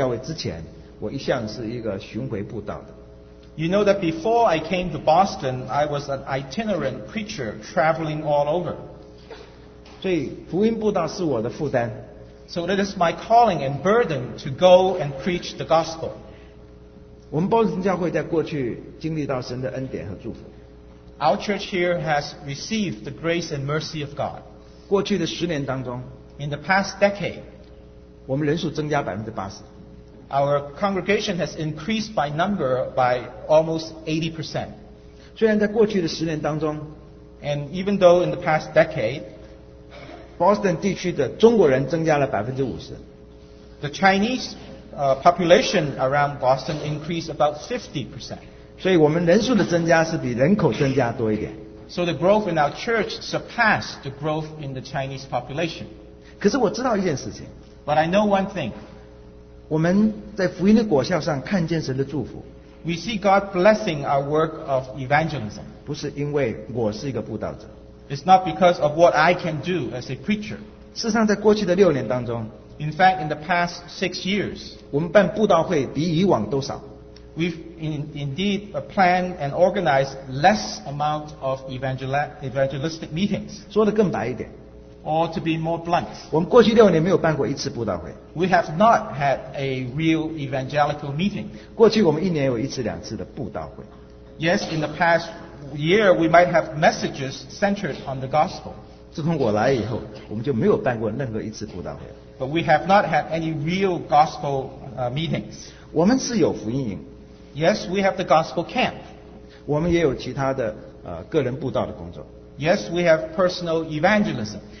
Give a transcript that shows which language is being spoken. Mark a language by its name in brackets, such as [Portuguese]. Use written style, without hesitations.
[Chinese] 你知道我平常，或者说来我们波士顿教会之前，我一向是一个巡回布道的。 [English] You know that before I came to Boston, I was an itinerant preacher traveling all over. [Chinese] 所以福音布道是我的负担。 [English] So it is my calling and burden to go and preach the gospel. [Chinese] 我们波士顿教会在过去经历到神的恩典和祝福。 [English] Our church here has received the grace and mercy of God. [Chinese] 过去的10年当中, [English] In the past decade, [Chinese] 我们人数增加 80%。 [English] Our congregation has increased by number by almost 80%. [Chinese] 虽然在过去的10年当中, [English] and even though in the past decade, [Chinese] Boston地区的中国人增加了 50%, [English] the Chinese population around Boston increased about 50%. [Chinese] 所以我们人数的增加是比人口增加多一点。 [English] So the growth in our church surpassed the growth in the Chinese population. [Chinese] 可是我知道一件事情, [English] but I know one thing. [Chinese] 我们在福音的果效上看见神的祝福。 [English] We see God blessing our work of evangelism. [Chinese] 不是因为我是一个布道者。 [English] It's not because of what I can do as a preacher. [Chinese] 事实上在过去的6年当中, [English] In fact, in the past 6 years, [Chinese] 我们办布道会比以往都少。 [English] We've indeed planned and organized less amount of evangelistic meetings. [Chinese] 说得更白一点。 [English] Or to be more blunt, [Chinese] 我们过去6年没有办过一次布道会。 [English] We have not had a real evangelical meeting. [Chinese] 过去我们一年有一次两次的布道会。 [English] Yes, in the past year, we might have messages centered on the gospel. [Chinese] 自从我来以后, 我们就没有办过任何一次布道会。 [English] But we have not had any real gospel meetings. [Chinese] 我们是有福音营。 [English] Yes, we have the gospel camp. [Chinese] 我们也有其他的, 个人布道的工作。 [English] Yes, we have personal evangelism.